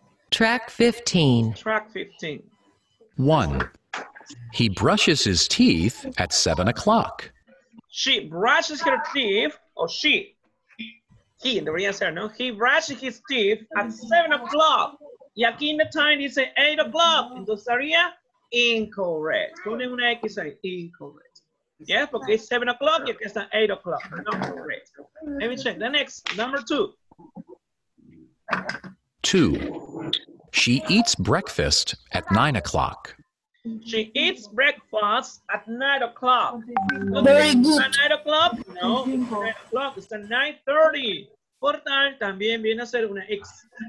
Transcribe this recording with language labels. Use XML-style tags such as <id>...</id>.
<en>Track 15. Track 15. One. He brushes his teeth at 7 o'clock. She brushes her teeth, or she. He, in the real answer, no? He brushes his teeth at 7 o'clock.</en> <es>Y aquí en the time, dice 8 o'clock. Entonces, sería incorrect. Pone una X ahí, incorrect.</es> <en>Yes, yeah,</en> <es>porque es 7 o'clock y aquí está 8 o'clock. No, correct.</es> <en>Let me check. The next, number 2. 2. She eats breakfast at 9 o'clock. She eats breakfast at 9 o'clock. Very good. Is it 9 o'clock? No, it's 9 o'clock. It's 9:30.</en> <es>Por tal, también viene a ser una X.</es>